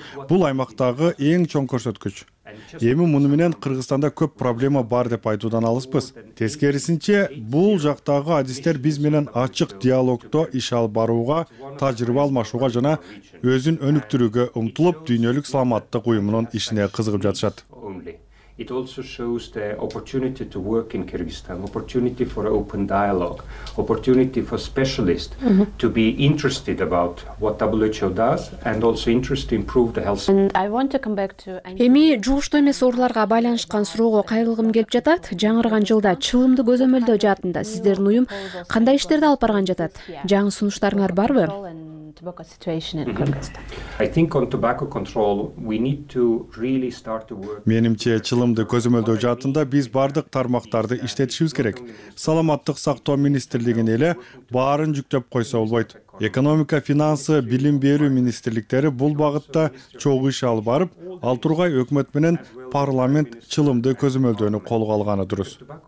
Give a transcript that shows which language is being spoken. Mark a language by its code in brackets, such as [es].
[ky] Бул аймактагы эң чоң көрсөткүч. Эми муну менен Кыргызстанда көп проблема бар деп айтуудан алыспыз. Тескерисинче, бул жактагы адистер биз менен ачык диалогдо иш алып барууга, тажрыйба алмашууга жана өзүн өнүктүрүүгө умтулуп, дүйнөлүк саламаттык уюмунун ишине кызыгып жатышат. [en] It also shows the opportunity to work in Kyrgyzstan, opportunity for open dialogue, opportunity for specialists to be interested about what WHO does and also interested to improve the health. And I want to come back to. [ky] Эми жугуштуу эмес ооруларга байланышкан суроого кайрылгым келип жатат. Жаңырган жылда чыгымды көзөмөлдөө жаатында сиздердин уюм кандай иштерди алып барган жатат? Жаңы сунуштарыңар барбы? [en] Tobacco situation in Kyrgyzstan. I think on tobacco control we need to really start to work. [ky] Менимче чылымды көзөмөлдөө жаатында биз бардык тармактарды иштетишибиз керек. Саламаттык сактоо министрлигине эле баарын жүктөп койсо болбойт. Экономика, финансы, билим берүү министрликтери бул багытта чогуу иш алып барып, ал тургай өкмөт менен парламент чылымды көзөмөлдөөнү колго алганы дурус.